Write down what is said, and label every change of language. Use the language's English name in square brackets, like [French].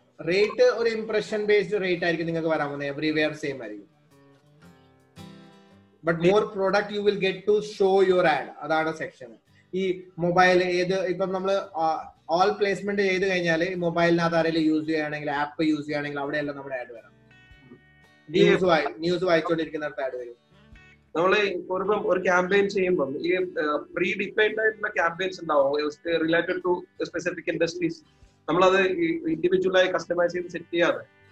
[Malayalam] Rate ഒരു impression based rate ആയിരിക്കും നിങ്ങൾക്ക് വരാൻ പോകുന്നത്. എവറിവെയർ സെയിം ആയിരിക്കും. [English] But more product you will get to show your ad. [Malayalam] അതാണ് സെക്ഷൻ. ഈ മൊബൈൽ ഏത് ഇപ്പം നമ്മള് ഓൾ പ്ലേസ്മെന്റ് ചെയ്ത് കഴിഞ്ഞാല് മൊബൈലിനകത്ത് ആരെങ്കിലും യൂസ് ചെയ്യുകയാണെങ്കിൽ ആപ്പ് യൂസ് ചെയ്യുകയാണെങ്കിൽ അവിടെ എല്ലാം നമ്മുടെ ആഡ് വരാം. ന്യൂസ് വായിച്ചോണ്ടിരിക്കുന്നിടത്ത് ആഡ് വരും. നമ്മള് ഇപ്പം ഒരു ക്യാമ്പയിൻ ചെയ്യുമ്പോൾ ഈ പ്രീ ഡിഫൈൻഡ് ആയിട്ടുള്ള ക്യാമ്പയിൻസ് ഉണ്ടാവും [English] related to specific industries, [Malayalam] നമ്മളത് ഇൻഡിവിജ്വലായി കസ്റ്റമൈസ് ചെയ്ത് സെറ്റ് ചെയ്യാതെ.